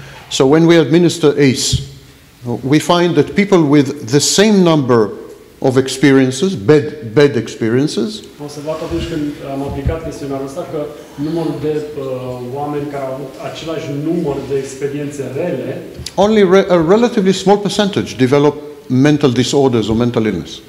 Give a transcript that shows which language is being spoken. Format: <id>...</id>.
<en>So when we administer ACE, we find that people with the same number of experiences, bad experiences,</en> <ro>observat atunci când am aplicat chestionarul ăsta că numărul de oameni care au avut același număr de experiențe rele,</ro> <en>only a relatively small percentage develop mental disorders or mental illness.</en>